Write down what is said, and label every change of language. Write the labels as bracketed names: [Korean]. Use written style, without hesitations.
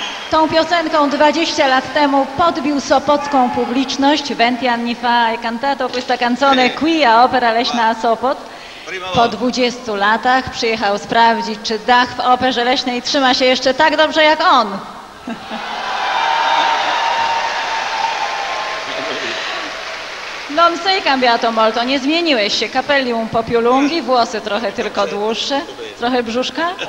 [Polish] Tą piosenką 20 lat temu podbił sopocką publiczność. [Italian] Ventian ni fa e cantato questa canzone qui a Opera Leśna Sopot. [Polish] Po 20 latach przyjechał sprawdzić, czy dach w Operze Leśnej trzyma się jeszcze tak dobrze jak on. [Italian] Non sei cambiato molto, [Polish] nie zmieniłeś się. [Italian] Capelli un po più lunghi, [Polish] włosy trochę tylko dłuższe, trochę brzuszka.